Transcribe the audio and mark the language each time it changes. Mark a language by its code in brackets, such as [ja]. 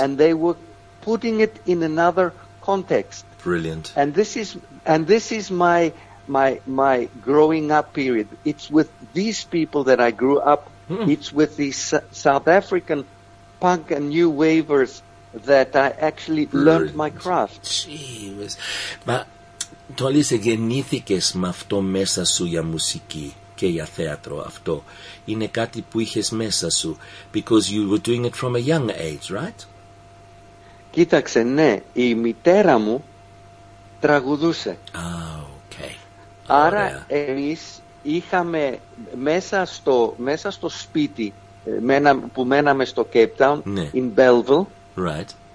[en] And they were putting it in another context. Brilliant. And this is my growing up period. It's with these people that I grew up. Hmm. It's with these South African punk and new wavers that I actually learned my craft. Jeez. [el] Μα το όλες γεννήθηκες με αυτό μέσα σου για μουσική και για θέατρο αυτό. Είναι κάτι που είχες μέσα σου. [en] Because you were doing it from a young age, right? [el] Κοίταξε, ναι. Η μητέρα μου τραγουδούσε. [en] Ah, okay. [el] Άρα εμείς είχαμε μέσα στο σπίτι που μέναμε στο Cape Town, ναι, [en] in Belleville. Right.